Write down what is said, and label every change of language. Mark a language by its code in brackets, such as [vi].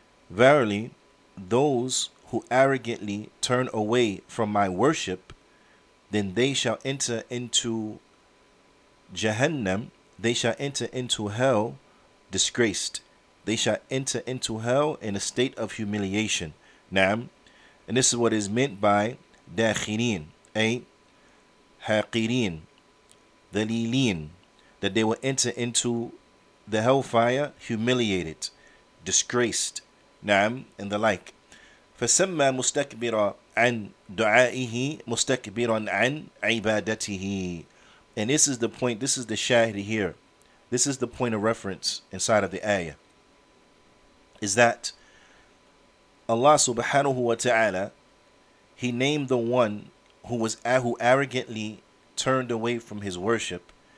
[en] Verily, those who arrogantly turn away from my worship, then they shall enter into Jahannam, they shall enter into hell disgraced, they shall enter into hell in a state of humiliation." Naam. And this is what is meant by dakhirin, haqirin, dalilin, that they will enter into the hellfire humiliated, disgraced, naam, and the like. [ar] فسمى مستكبرا عن دعائه مستكبرا عن عبادته. [en] And this is the point, this is the shahid here. This is the point of reference inside of the ayah. Is that Allah subhanahu wa ta'ala, he named the one who arrogantly turned away from his worship.